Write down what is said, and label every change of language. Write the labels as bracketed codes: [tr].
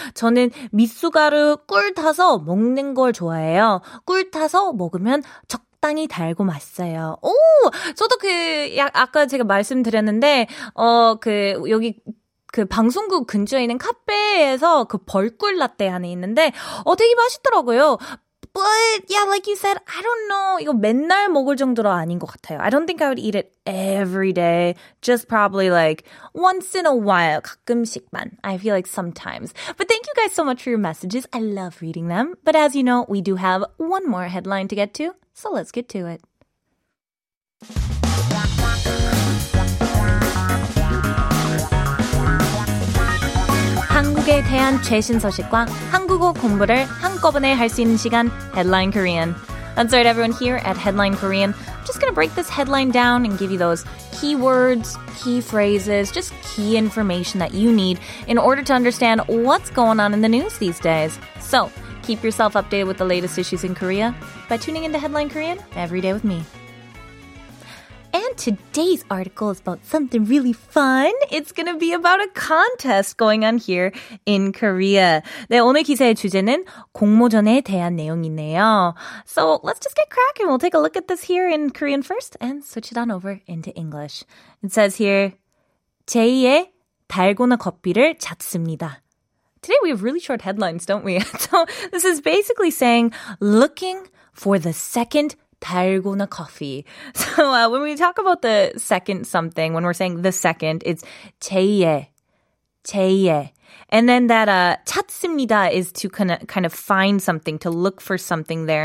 [ko] 저는 미숫가루 꿀 타서 먹는 걸 좋아해요. 꿀 타서 먹으면 적당히 달고 맛있어요. 오! 저도 그 아까 제가 말씀드렸는데 그 여기 그 방송국 근처에 있는 카페에서 그 벌꿀 라떼 안에 있는데 되게 맛있더라고요. [en] But yeah, like you said, I don't know. [ko] 이거 맨날 먹을 정도로 아닌 것 같아요. [en] I don't think I would eat it every day. Just probably like once in a while. [ko] 가끔씩만. [en] I feel like sometimes. But thank you guys so much for your messages. I love reading them. But as you know, we do have one more headline to get to. So let's get to it. [ko] Korea에 대한 최신 소식과 한국어 공부를 한꺼번에 할 수 있는 시간, Headline Korean. [en] That's right, everyone, here at Headline Korean. I'm just going to break this headline down and give you those keywords, key phrases, just key information that you need in order to understand what's going on in the news these days. So, keep yourself updated with the latest issues in Korea by tuning into Headline Korean every day with me. And today's article is about something really fun. It's going to be about a contest going on here in Korea. [ko] 네, 오늘 기사의 주제는 공모전에 대한 내용이네요. [en] So let's just get cracking. We'll take a look at this here in Korean first and switch it on over into English. It says here, [ko] 제2의 달고나 커피를 찾습니다. [en] Today we have really short headlines, don't we? So this is basically saying, looking for the second 달고나 커피. So when we talk about the second something, when we're saying the second, it's 제2의, 제2의. And then that 찾습니다 is to kind of find something, to look for something there.